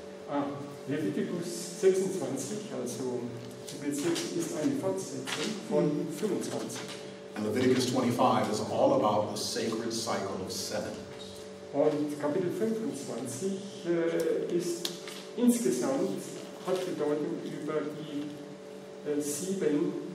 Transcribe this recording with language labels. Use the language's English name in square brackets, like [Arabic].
[German] Ah, Leviticus 26, also Leviticus, ist eine Fortsetzung von 25. [English] And Leviticus 25 is all about the sacred cycle of seven. [German] Und Kapitel 25 ist insgesamt hat Bedeutung über die sieben